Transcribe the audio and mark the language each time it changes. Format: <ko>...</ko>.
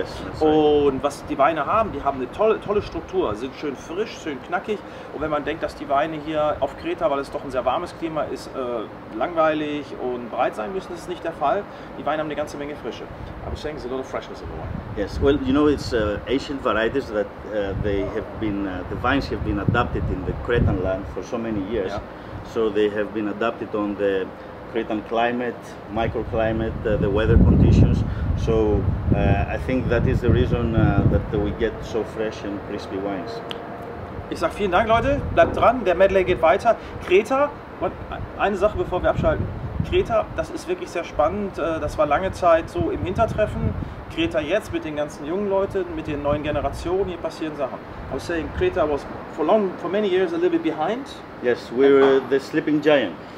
<en>Yes,</en> <de>und was die Weine haben, die haben eine tolle Struktur, sind schön frisch, schön knackig. Und wenn man denkt, dass die Weine hier auf Kreta, weil es doch ein sehr warmes Klima ist, langweilig und breit sein müssen, ist nicht der Fall. Die Weine haben eine ganze Menge Frische. Aber ich denke, es ist</de> <en>a lot of freshness in the wine. Yes, well, you know, it's ancient varieties that they have been, the vines have been adapted in the Cretan land for so many years. Yeah. So they have been adapted on the Cretan climate, microclimate, the weather conditions. So I think that is the reason that we get so fresh and crispy wines.</en> <de>Ich sag vielen Dank, Leute. Bleibt dran. Der Medley geht weiter. Kreta, eine Sache, bevor wir abschalten. Kreta, das ist wirklich sehr spannend. Das war lange Zeit so im Hintertreffen. Kreta jetzt mit den ganzen jungen Leuten, mit den neuen Generationen, hier passieren Sachen.</de> <en>I was saying Kreta was for many years a little bit behind. Yes, we were the sleeping giant.</en>